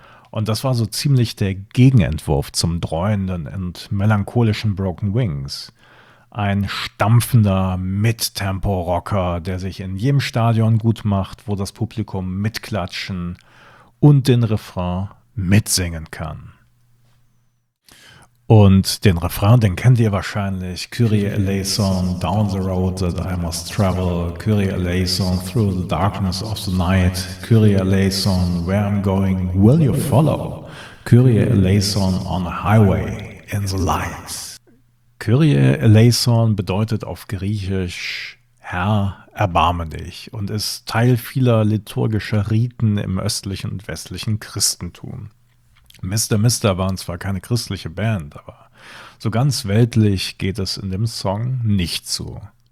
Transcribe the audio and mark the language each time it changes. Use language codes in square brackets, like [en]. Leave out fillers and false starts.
[de] Und das war so ziemlich der Gegenentwurf zum dreuenden und melancholischen Broken Wings. Ein stampfender Mid-Tempo-Rocker, der sich in jedem Stadion gut macht, wo das Publikum mitklatschen und den Refrain mitsingen kann. Und den Refrain, den kennt ihr wahrscheinlich. [en] Kyrie eleison, down the road that I must travel. Kyrie eleison, through the darkness of the night. Kyrie eleison, where I'm going, will you follow? Kyrie eleison, on a highway, in the light. [de] Kyrie eleison bedeutet auf Griechisch Herr, erbarme dich und ist Teil vieler liturgischer Riten im östlichen und westlichen Christentum. Mr. Mister waren zwar keine christliche Band, aber so ganz weltlich geht es in dem Song nicht zu.